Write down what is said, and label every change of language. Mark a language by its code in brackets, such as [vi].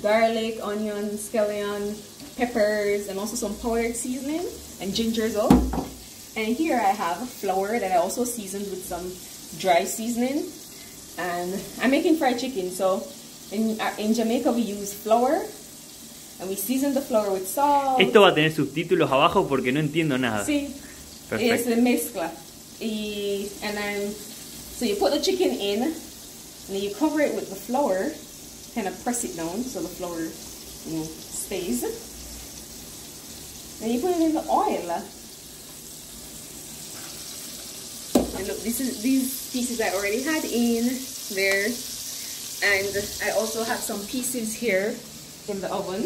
[en] Garlic, onion, scallion, peppers, and also some powdered seasoning and ginger as well. And here I have flour that I also seasoned with some dry seasoning, and I'm making fried chicken. So in Jamaica we use flour and we season the flour with salt. [es] Esto va a tener subtítulos abajo porque no entiendo nada. Sí. Perfecto. Es la mezcla. [en] So you put the chicken in and then you cover it with the flour, kind of press it down so the flour, you know, stays. Then you put it in the oil. And look, these pieces I already had in there, and I also have some pieces here in the oven.